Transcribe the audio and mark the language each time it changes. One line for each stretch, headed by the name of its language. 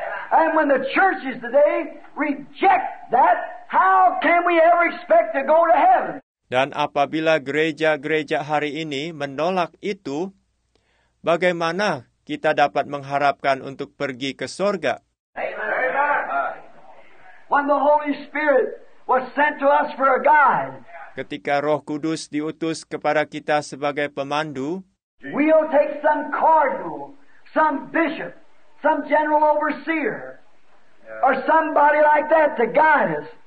English: And when the churches today reject that, how can we ever expect to go to heaven?
Indonesian: Dan apabila gereja-gereja hari ini menolak itu, bagaimana kita dapat mengharapkan untuk pergi ke sorga?
English: Amen. When the Holy Spirit was sent to us for a guide,
Indonesian: ketika Roh Kudus diutus kepada kita sebagai pemandu,
English: we'll take some cardinal, some bishop, some general overseer, or somebody like that to guide us.